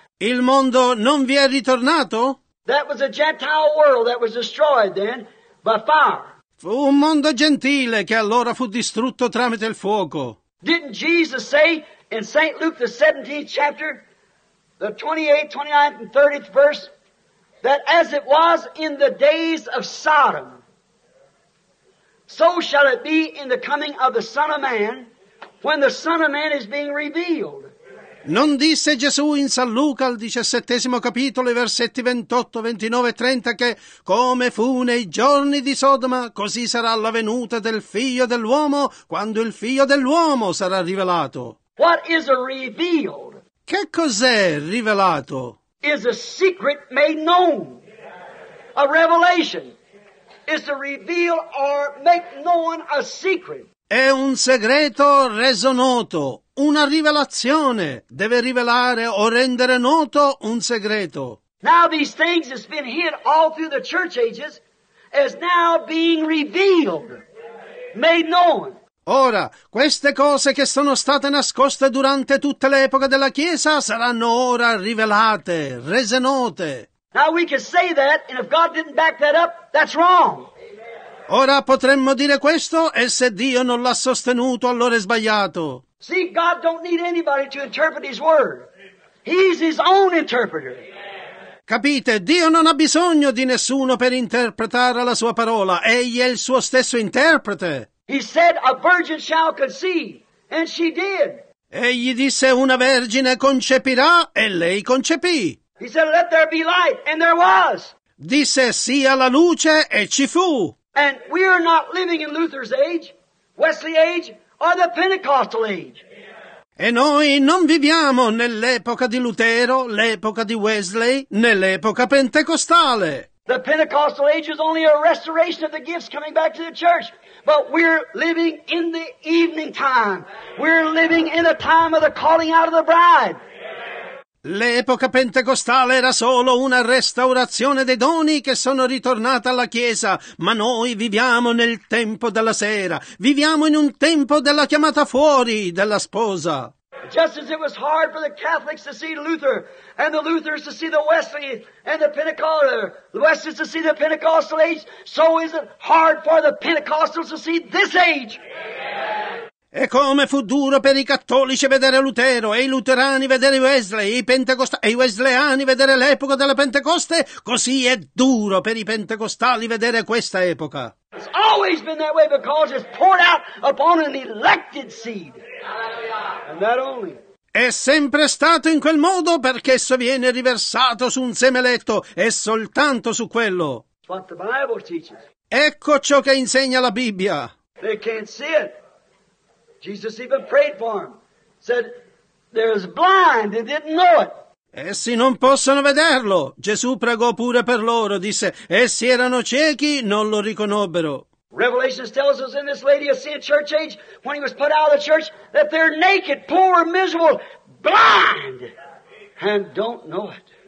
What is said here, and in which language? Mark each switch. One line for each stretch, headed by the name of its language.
Italian: Il mondo non vi è ritornato?
English: That was a Gentile world that was destroyed then by fire.
Italian: Fu un mondo gentile che allora fu distrutto tramite il fuoco.
English: Didn't Jesus say in St. Luke the 17th chapter, the 28th, 29th, and 30th verse, that as it was in the days of Sodom, so shall it be in the coming of the Son of Man, when the Son of Man is being revealed.
Italian: Non disse Gesù in San Luca al 17° capitolo i versetti 28, 29 e 30 che come fu nei giorni di Sodoma, così sarà la venuta del figlio dell'uomo quando il figlio dell'uomo sarà rivelato.
English: What is a revealed?
Italian: Che cos'è rivelato?
English: Is a secret made known. A revelation. Is to reveal or make known a secret.
Italian: È un segreto reso noto. Una rivelazione deve rivelare o rendere noto un segreto.
English: Now these things has been hid all through the church ages is now being revealed, made known.
Italian: Ora, queste cose che sono state nascoste durante tutte le epoche della Chiesa saranno ora rivelate, rese note.
English: Now we can say that, and if God didn't back that up, that's wrong.
Italian: Ora potremmo dire questo, e se Dio non l'ha sostenuto, allora è sbagliato.
English: See, God don't need anybody to interpret His Word. He's His own interpreter.
Italian: Capite, Dio non ha bisogno di nessuno per interpretare la sua parola. Egli è il suo stesso interprete.
English: He said, a virgin shall conceive, and she did.
Italian: Egli disse, una vergine concepirà, e lei concepì.
English: He said, let there be light, and there was.
Italian: Disse, sia la luce, e ci fu.
English: And we are not living in Luther's age, Wesley age, or the Pentecostal age.
Italian: E noi non viviamo nell'epoca di Lutero, l'epoca di Wesley, né l'epoca pentecostale.
English: The Pentecostal age is only a restoration of the gifts coming back to the church. But we're living in the evening time. We're living in a time of the calling out of the bride.
Italian: L'epoca pentecostale era solo una restaurazione dei doni che sono ritornata alla Chiesa, ma noi viviamo nel tempo della sera, viviamo in un tempo della chiamata fuori della sposa.
English: Just as it was hard for the Catholics to see Luther, and the Lutherans to see the Wesley, and the Wesleyans to see the Pentecostal age, so is it hard for the Pentecostals to see this age.
Italian: E come fu duro per i cattolici vedere Lutero, e i luterani vedere Wesley, e i wesleyani vedere l'epoca della Pentecoste, così è duro per i pentecostali vedere questa epoca.
English: It's always been that way because it's poured out upon an elected seed. And not only.
Italian: È sempre stato in quel modo perché esso viene riversato su un seme eletto e soltanto su quello.
English: It's what the Bible teaches.
Italian: Ecco ciò che insegna la Bibbia.
English: They can't see it. Jesus even prayed for him. Said, there's blind, they didn't know it.
Italian: Essi non possono vederlo. Gesù pregò pure per loro, disse, essi erano ciechi, non lo riconobbero.
English: Revelation tells us in this lady of sin church age, when he was put out of the church, that they're naked, poor, miserable, blind, and don't know it.